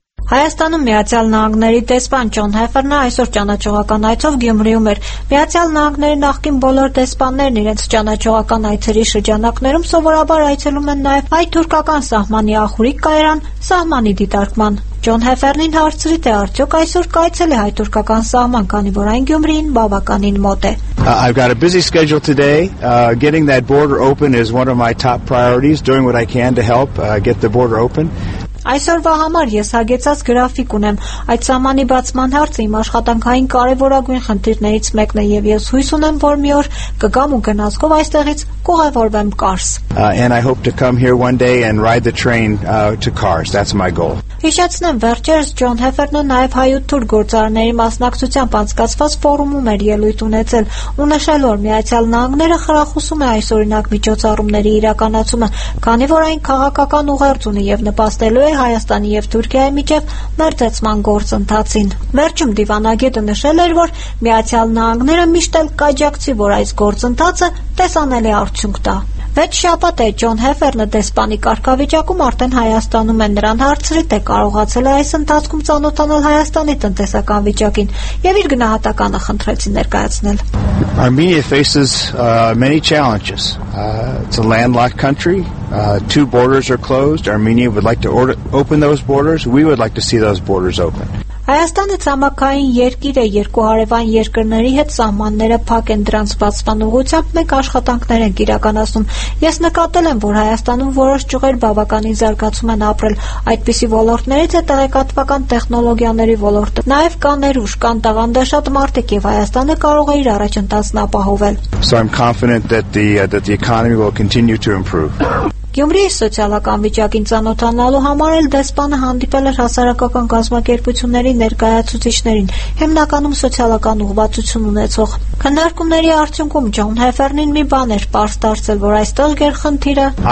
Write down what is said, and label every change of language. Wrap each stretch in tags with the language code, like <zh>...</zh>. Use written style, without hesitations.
<hy>Հայաստանում Միացյալ Նահանգների դեսպան Ջոն Հեֆերնը այսօր ճանաչողական այցով Գյումրիում էր։ Միացյալ Նահանգների նախկին բոլոր դեսպաններն իրենց ճանաչողական այցերի շրջանակներում սովորաբար այցելում են նաև հայ-թուրքական սահմանի ախուրիկ կայարան սահմանի դիտարկման։ Ջոն Հեֆերնին հարցրի, թե արդյոք այսօր կայցել է հայ-թուրքական սահման, քանի որ այն Գյումրիին բավականին մոտ է։</hy> <en>I've got a busy schedule today. Getting that border open is one of my top priorities, doing what I can to help get the border open.</en> <hy>Այսօրվա համար ես հագեցած գրաֆիկ ունեմ։ Այդ սահմանի բացման հարցը իմ աշխատանքային կարևորագույն խնդիրներից մեկն է, և ես հույս ունեմ, որ մի օր կգամ ու գնացքով այստեղից կուղևորվեմ Կարս։</hy> <en>And I hope to come here one day and ride the train to Kars. That's my goal.</en> <hy>Հիշեցնեմ, վերջերս Ջոն Հեֆերնը նաև հայ-թուրք գործարարների մասնակցությամբ անցկացված ֆորումում էր ելույթ ունեցել, ու նշել, որ Միացյալ Նահանգները խրախուսում է այս օրինակ միջոցառումների իրականացումը, քանի որ այն քաղաքական ուղերձ ունի և նպաստելու է Հայաստանի և Թուրքիայի միջև մերձեցման գործընթացին։ Վերջում դիվանագետը նշել էր, որ Միացյալ Նահանգները միշտ էլ կաջակցի, որ այս գործընթացը տեսանելի արդյունք տա։ Վեց շաբաթ է Ջոն Հեֆերնը դեսպանի կարգավիճակում արդեն Հայաստանում է, նրան հարցրի, թե կարողացել է այս ընթացքում ծանոթանալ Հայաստանի տնտեսական վիճակին, և իր գնահատականը խնդրեցին ներկայացնել։</hy> <en>Armenia faces many challenges. It's a landlocked country. Two borders are closed. Armenia would like to open those borders. We would like to see those borders open.</en> <hy>Հայաստանը ցամաքային երկիր է, երկու հարևան երկրների հետ սահմանները փակ են, դրանց բացման ուղղությամբ մենք աշխատանքներ ենք իրականացնում։ Ես նկատել եմ, որ Հայաստանում որոշ ճյուղեր բավականին զարգացում են ապրել, այդպիսի ոլորտներից է տեղեկատվական տեխնոլոգիաների ոլորտը։ Նաև կա ներուժ, կան տաղանդաշատ մարդիկ, և Հայաստանը կարող է իր առաջընթացն ապահովել։ Գյումրիի սոցիալական վիճակին ծանոթանալու համար էլ դեսպանը հանդիպել էր հասարակական կազմակերպությունների ներկայացուցիչներին, հիմնականում սոցիալական ուղղվածություն ունեցող։ Քննարկումների արդյունքում Ջոն Հեֆերնին մի բան էր պարզ դարձել, որ այստեղ գերխնդիրը</hy>